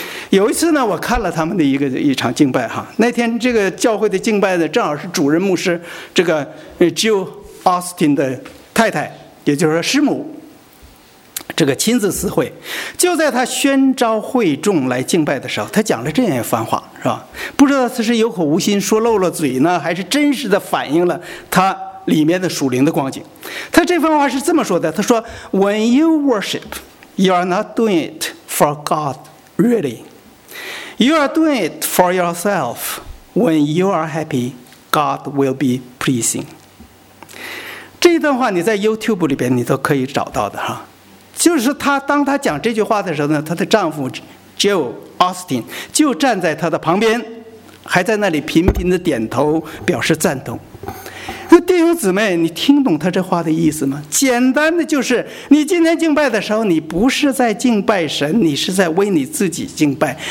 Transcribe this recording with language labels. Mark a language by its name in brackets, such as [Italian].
[Chinese] 有一次呢，我看了他们的一场敬拜哈。那天这个教会的敬拜呢，正好是主任牧师这个 Jill Austin 的太太，也就是说师母，这个亲自司会。就在他宣召会众来敬拜的时候，他讲了这样一番话，是吧？不知道他是有口无心说漏了嘴呢，还是真实的反映了他里面的属灵的光景。他这番话是这么说的，他说 [English] When you worship, you are not doing it for God really. You are doing it for yourself. When you are happy, God will be pleasing. [Chinese] 这段话你在 YouTube 里边你都可以找到的哈。就是他当他讲这句话的时候呢，他的丈夫 Jill Austin 就站在他的旁边，还在那里频频的点头表示赞同。弟兄姊妹，你听懂他这话的意思吗？简单的就是，你今天敬拜的时候，你不是在敬拜神，你是在为你自己敬拜。